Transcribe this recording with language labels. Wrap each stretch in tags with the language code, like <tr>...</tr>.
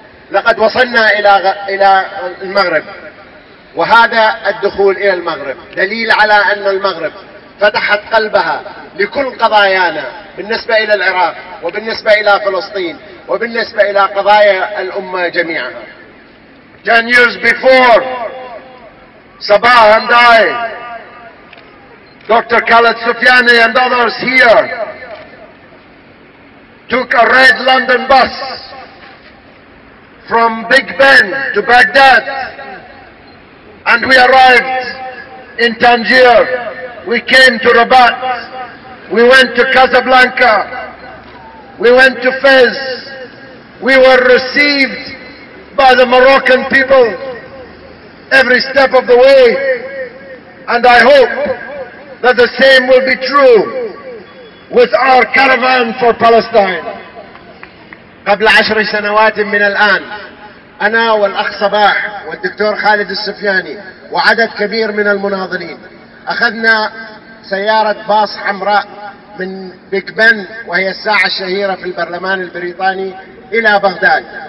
<ar>لقد وصلنا إلى المغرب وهذا الدخول إلى المغرب دليل على أن المغرب فتحت قلبها لكل قضايانا بالنسبة إلى العراق وبالنسبة إلى فلسطين وبالنسبة إلى قضايا الأمة جميعا.</ar> <en>10 years before Sabah and I, Dr. Khaled Sufiani and others here took a red London bus from Big Ben to Baghdad and we arrived in Tangier. We came to Rabat. We went to Casablanca. We went to Fez. We were received by the Moroccan people every step of the way. And I hope that the same will be true with our caravan for Palestine.</en> <ar>قبل 10 سنوات من الآن أنا والأخ صباح والدكتور خالد السفياني وعدد كبير من المناضلين أخذنا سيارة باص حمراء من بيك بن وهي الساعة الشهيرة في البرلمان البريطاني إلى بغداد</ar>